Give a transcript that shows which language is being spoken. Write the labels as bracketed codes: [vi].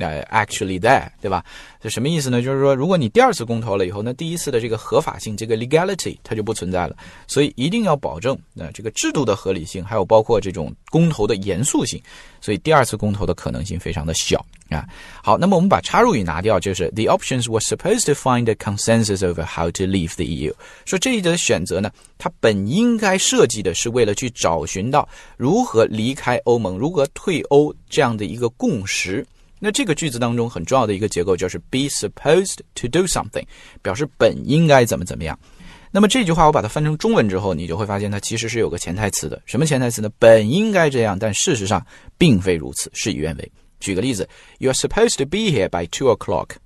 [zh] actually there, 对吧？这什么意思呢？就是说如果你第二次公投了以后，那第一次的这个合法性，这个 legality, 它就不存在了。所以一定要保证这个制度的合理性，还有包括这种公投的严肃性。所以第二次公投的可能性非常的小。 [en] 好，那么我们把插入语拿掉，就是 the options were supposed to find a consensus over how to leave the EU. [zh] 说这一则选择呢，它本应该设计的是为了去找寻到如何离开欧盟，如何退欧这样的一个共识。那这个句子当中很重要的一个结构就是 be supposed to do something, 表示本应该怎么怎么样。那么这句话我把它翻成中文之后，你就会发现它其实是有个潜台词的。什么潜台词呢？本应该这样，但事实上并非如此，事与愿违。 [en] 举个例子， You are supposed to be here by 2 o'clock.